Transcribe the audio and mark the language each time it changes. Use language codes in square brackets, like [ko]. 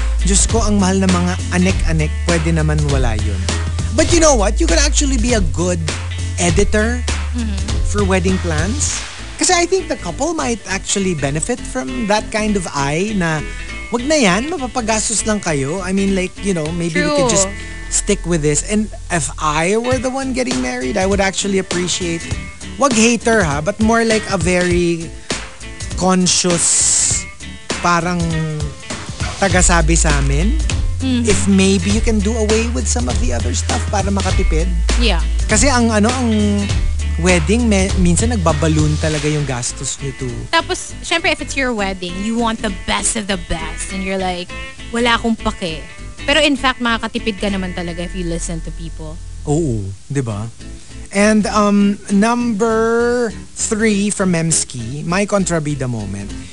[tl] Diyos ko, ang mahal na mga anek-anek, pwede naman wala yun. [en] But you know what? You could actually be a good editor for wedding plans. Kasi I think the couple might actually benefit from that kind of eye na [tl] wag na yan, mapapagastos lang kayo. [en] I mean, like, you know, maybe true, we could just stick with this. And if I were the one getting married, I would actually appreciate, [tl] wag hater ha, [en] but more like a very conscious [tl] parang tagasabi sa amin, [en] if maybe you can do away with some of the other stuff [tl] para makatipid. [en] Yeah. [tl] Kasi ang ano, ang wedding, minsan nagbabaloon talaga yung gastos nyo to. [en] Tapos, syempre, if it's your wedding, you want the best of the best and you're like, [tl] wala akong pake. Pero in fact, makakatipid ka naman talaga [en] if you listen to people. Oo, di ba? And number three from Memski, my kontrabida moment.